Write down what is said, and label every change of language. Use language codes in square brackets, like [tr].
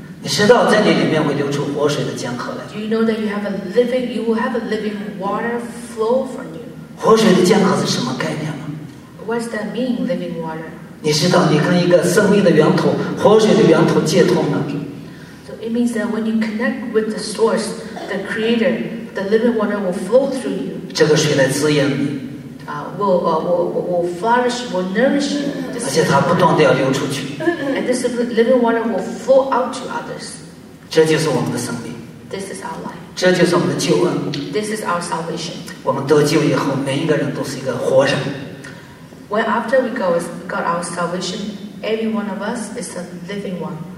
[zh] 你知道在你里面会流出活水的江河来。 [en] Do you know that you have a living, you will have a living water flow from you? [zh] 活水的江河是什么概念吗 [en] ？What's that mean, living water? [zh] 你知道你跟一个生命的源头、活水的源头接通了。 [en] So it means that when you connect with the source, the creator, the living water will flow through you. [zh] 这个水来滋养你。 [en] Will flourish, will nourish you. [zh] 而且它不断地要流出去。 [en] And this living water will flow out to others. [zh] 这就是我们的生命。 [en] This is our life. [zh] 这就是我们的救恩。 [en] This is our salvation. [zh] 我们得救以后，每一个人都是一个活人。 [en] When after we got our salvation, every one of us is a living one.